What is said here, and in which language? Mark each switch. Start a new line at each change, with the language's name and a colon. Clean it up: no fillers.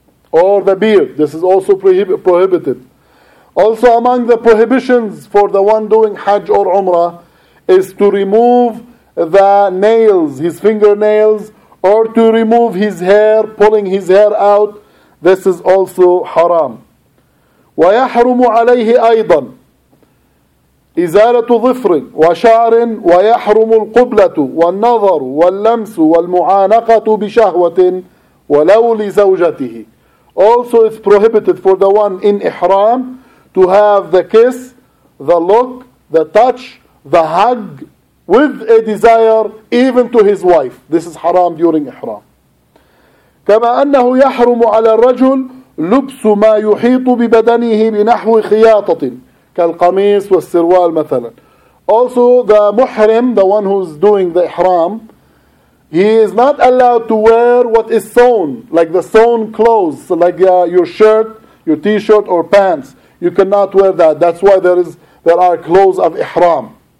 English: Or the beard, this is also prohibited. Also among the prohibitions for the one doing Hajj or Umrah is to remove the nails, his fingernails, or to remove his hair, pulling his hair out, this is also haram.
Arabic: وَيَحْرُمُ عَلَيْهِ أَيْضًا إزالة ظفر وشعر ويحرم القبلة والنظر واللمس والمعانقة بشهوة ولو لزوجته.
English: Also it's prohibited for the one in ihram to have the kiss, the look, the touch, the hug with a desire even to his wife. This is haram during ihram.
Arabic: كما أنه يحرم على الرجل لبس ما يحيط ببدنه بنحو خياطة كالقميص والسروال مثلا.
English: Also the muhrim, the one who's doing the ihram, he is not allowed to wear what is sewn, like the sewn clothes, like your shirt, your t-shirt or pants. You cannot wear that. That's why there are clothes of ihram.